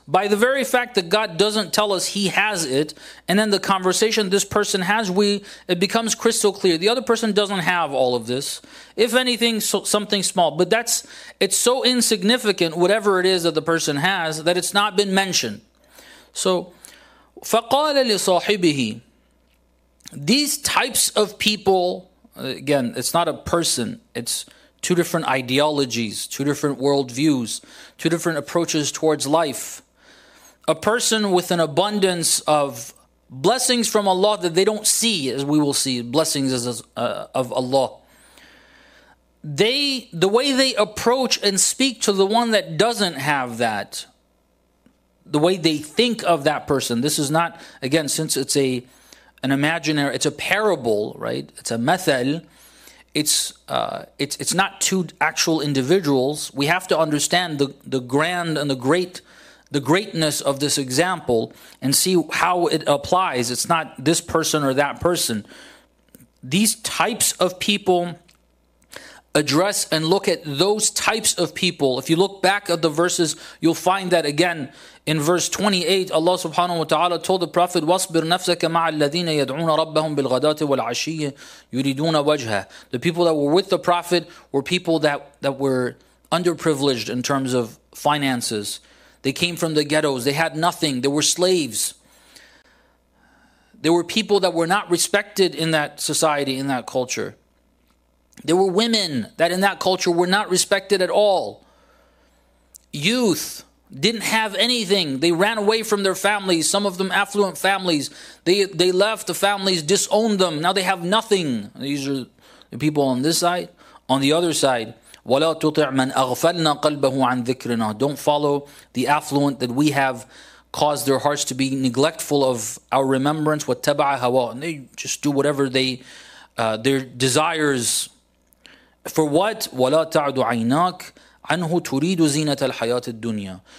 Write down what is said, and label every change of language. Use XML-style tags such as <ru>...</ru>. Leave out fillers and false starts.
<en>By the very fact that God doesn't tell us he has it, and then the conversation this person has, it becomes crystal clear. The other person doesn't have all of this. If anything, so, something small. But it's so insignificant, whatever it is that the person has, that it's not been mentioned.</en> <ar>So, فَقَالَ لِصَاحِبِهِ.</ar> <en>These types of people, again, it's not a person, it's two different ideologies, two different worldviews, two different approaches towards life. A person with an abundance of blessings from Allah that they don't see, as we will see, blessings of Allah. The way they approach and speak to the one that doesn't have that, the way they think of that person, this is not, again, since it's an imaginary, it's a parable, right? It's a methel. It's not two actual individuals. We have to understand the grand and the greatness of this example and see how it applies. It's not this person or that person. These types of people address and look at those types of people. If you look back at the verses, you'll find that again. In verse 28, Allah subhanahu wa ta'ala told the Prophet,</en> <ar>وَاصْبِرْ نَفْسَكَ مَعَ الَّذِينَ يَدْعُونَ رَبَّهُمْ بِالْغَدَاتِ وَالْعَشِيِّ يُرِيدُونَ وَجْهَهُ.</ar> <en>The people that were with the Prophet were people that were underprivileged in terms of finances. They came from the ghettos. They had nothing. They were slaves. They were people that were not respected in that society, in that culture. There were women that in that culture were not respected at all. Youth didn't have anything. They ran away from their families, some of them affluent families. They left, the families disowned them. Now they have nothing. These are the people on this side. On the other side,</en> <ar>وَلَا تُطِعْ مَنْ أَغْفَلْنَا قَلْبَهُ عَنْ ذِكْرِنَا.</ar> <en>Don't follow the affluent that we have caused their hearts to be neglectful of our remembrance.</en> <ar>وَاتَّبَعَ هَوَا.</ar> <en>And they just do whatever their desires. For what?</en> <ar>وَلَا تَعْدُ عَيْنَاكَ عَنْهُ تُرِيدُ زِينَةَ الْحَيَاةِ الدُّنْيَا.</ar>